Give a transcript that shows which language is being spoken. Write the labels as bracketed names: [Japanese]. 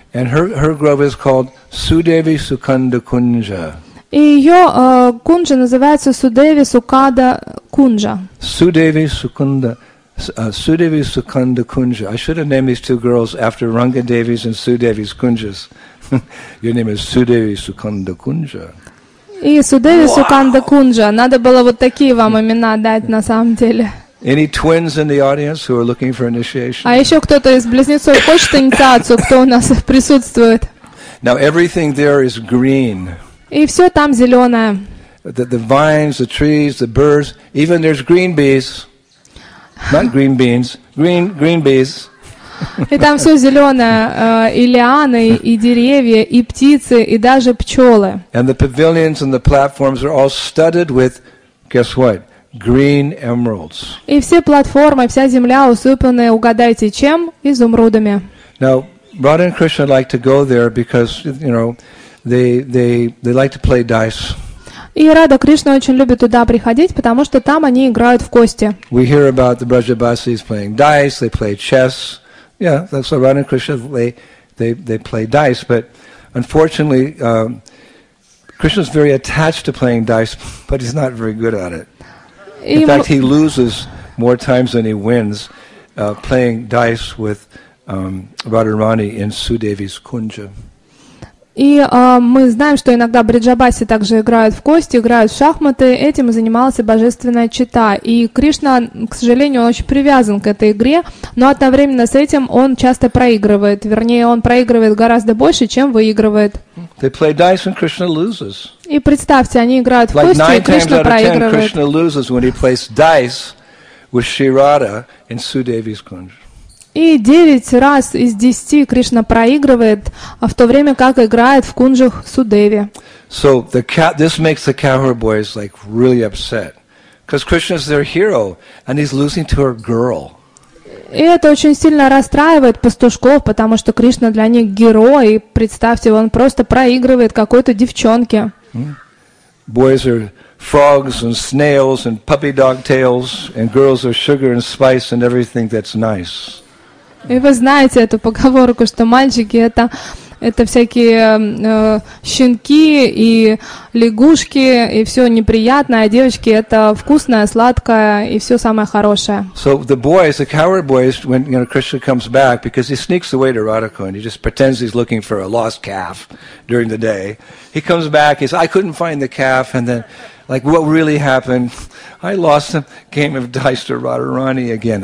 [English] And her grove is called Sudevi Sukanda Kunja. [Russian] И ее кунжа называется Судеви Сукада Кунжа. [English] Sudevi Sukanda Sudevi Sukunda Kunja. I should have named these two girls after Ranga Devi's and Sudevi's Kunjas. Your name is Sudevi Sukunda Kunja. [Russian] И Судеви Суканда Кунджа. Надо было вот такие вам имена дать на самом деле. [English] Any twins in the audience who are looking for initiation? [Russian] А еще кто-то из близнецов хочет инициацию? Кто у нас присутствует? [English] Now everything there is green. [Russian] И все там зеленое. [English] The vines, the trees, the birds, even there's green bees. Not green beans, green bees. [Russian] И там все зеленое, и лианы, и деревья, и птицы, и даже пчелы. [English] And the pavilions and the platforms are all studded with, guess what? Green emeralds. [Russian] И все платформы, вся земля усыпаны, угадайте, чем? Изумрудами. [English] Now, Radha and Krishna like to go there because, you know, they like to play dice. [Russian] И Рада Кришна очень любит туда приходить, потому что там они играют в кости. [English] We hear about the Brajabasis playing dice, they play chess. Yeah, that's why Radha and Krishna they play dice, but unfortunately, Krishna's very attached to playing dice, but he's not very good at it. In fact, he loses more times than he wins playing dice with Radharani in Sudevi's Kunja. [Russian] И мы знаем, что иногда Бриджабаси также играют в кости, играют в шахматы. Этим и занималась и божественная чита. И Кришна, к сожалению, он очень привязан к этой игре, но одновременно с этим он часто проигрывает. Вернее, он проигрывает гораздо больше, чем выигрывает. [English] They play dice and Krishna loses. [Russian] И представьте, они играют в кости, и Кришна проигрывает. [English] Like 9 times out of 10, Krishna loses when he plays dice with Shri Radha in Sudevi's Kunja. [Russian] И 9 раз из 10 Кришна проигрывает, а в то время как играет в кунжах Судеви. [English] So this makes the cowherd boys like really upset, because Krishna is their hero, and he's losing to her girl. [Russian] И это очень сильно расстраивает пастушков, потому что Кришна для них герой. Представьте, он просто проигрывает какой-то девчонке. [English] Boys are frogs and snails and puppy dog tails, and girls are sugar and spice and everything that's nice. [Russian] И вы знаете эту поговорку, что мальчики это всякие щенки и лягушки, и все неприятное, а девочки это вкусное, сладкое и все самое хорошее. [English] So the boys, the coward boys, when you know Krishna comes back, because he sneaks away to Radhika and he just pretends he's looking for a lost calf during the day. He comes back, he says, I couldn't find the calf, and then like what really happened? I lost a game of dice to Radharani again.